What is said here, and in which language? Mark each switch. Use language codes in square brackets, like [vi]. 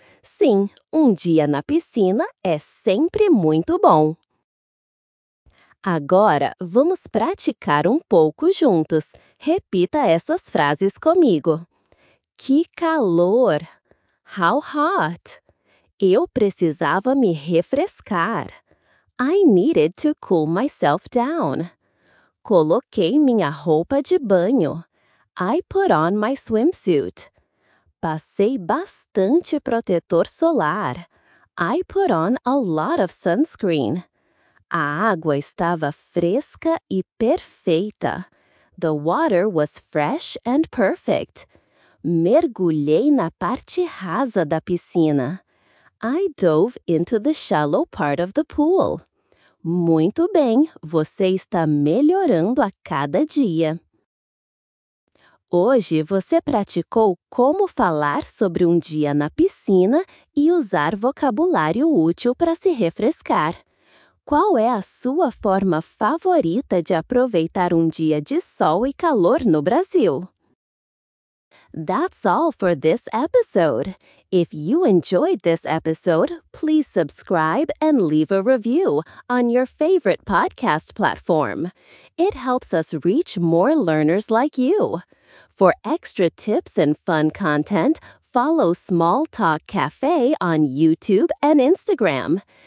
[pt] Sim, um dia na piscina é sempre muito bom. Agora, vamos praticar um pouco juntos. Repita essas frases comigo. Que calor! [en] How hot! [pt] Eu precisava me refrescar. [en] I needed to cool myself down. [pt] Coloquei minha roupa de banho. [en] I put on my swimsuit. [pt] Passei bastante protetor solar. [en] I put on a lot of sunscreen. [pt] A água estava fresca e perfeita. [en] The water was fresh and perfect. [pt] Mergulhei na parte rasa da piscina. [en] I dove into the shallow part of the pool. [pt] Muito bem, você está melhorando a cada dia. Hoje você praticou como falar sobre um dia na piscina e usar vocabulário útil para se refrescar. Qual é a sua forma favorita de aproveitar um dia de sol e calor no Brasil? [en] That's all for this episode. If you enjoyed this episode, please subscribe and leave a review on your favorite podcast platform. It helps us reach more learners like you. For extra tips and fun content, follow Small Talk Cafe on YouTube and Instagram.